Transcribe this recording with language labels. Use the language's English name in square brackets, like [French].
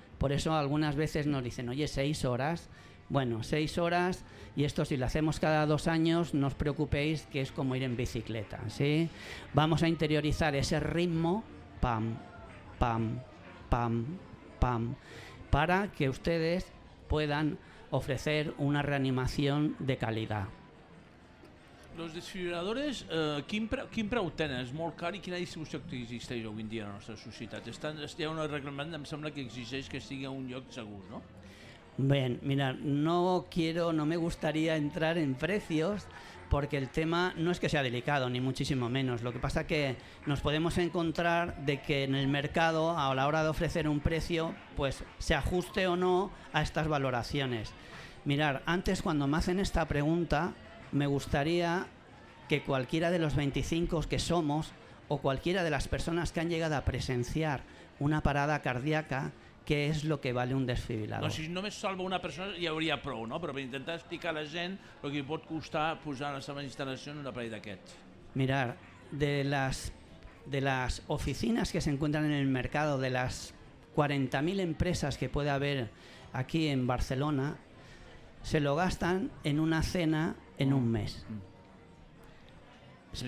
[Spanish] Por eso algunas veces nos dicen, oye, 6 horas. Bueno, 6 horas, y esto si lo hacemos cada 2 años, no os preocupéis, que es como ir en bicicleta, ¿sí? Vamos a interiorizar ese ritmo, pam, pam, pam, pam, para que ustedes puedan ofrecer una reanimación de calidad. Los desfibriladores, [Catalan] quin preu tenen? És molt car, i quina distribució existeix avui en dia a la nostra societat? Hi ha un reglament, em sembla, que exigeix que estigui a un lloc segur, no? [Spanish] Bien, mira, no me gustaría entrar en precios, porque el tema no es que sea delicado, ni muchísimo menos. Lo que pasa que nos podemos encontrar de que en el mercado, a la hora de ofrecer un precio, pues se ajuste o no a estas valoraciones. Mirar, antes, cuando me hacen esta pregunta, me gustaría que cualquiera de los 25 que somos o cualquiera de las personas que han llegado a presenciar una parada cardíaca, ¿qué es lo que vale un desfibrilador? [Catalan] No, si només salva una persona ja hauria prou, no? Però per intentar explicar a la gent el que pot costar posar la seva instal·lació en un aparell d'aquests. [Spanish] Mirar, de las oficinas que se encuentran en el mercado, de las 40.000 empresas que puede haber aquí en Barcelona, se lo gastan en una cena en un mes. Sí.